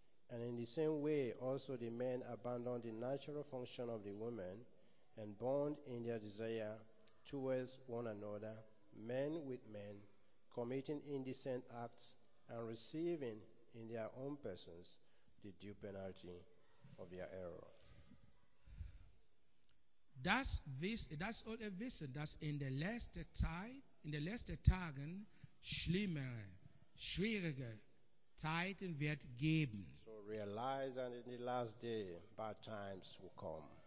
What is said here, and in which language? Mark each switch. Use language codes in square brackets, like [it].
[en] And in the same way, also the men abandoned the natural function of the women and bound in their desire towards one another, men with men, committing indecent acts and receiving in their own persons the due penalty of their error. [de] Das alle wissen, dass in der letzten Zeit, in den letzten Tagen schlimmere, schwierige Zeiten wird geben. [en] So realize that in the last day bad times will come.